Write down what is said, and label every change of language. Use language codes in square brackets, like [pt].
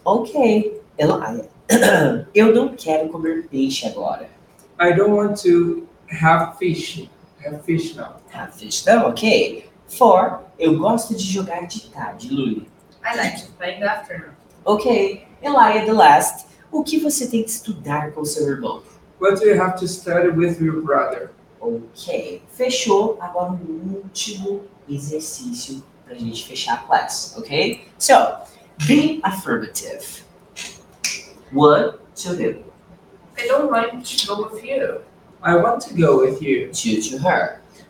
[pt] Okay. Elaia, eu não quero comer peixe agora. [en] I don't want to have fish now. Have fish now, okay. [pt] 4. Eu gosto de jogar de tarde, Lully. [en] I like to play in the afternoon. Ok. Elia, the last. [pt] O que você tem que estudar com seu irmão? [en] What do you have to study with your brother? [pt] Ok. Fechou. Agora o último exercício para a gente fechar a class. [en] Ok? So, be affirmative. What to do? I don't want to go with you. I want to go with you. To her.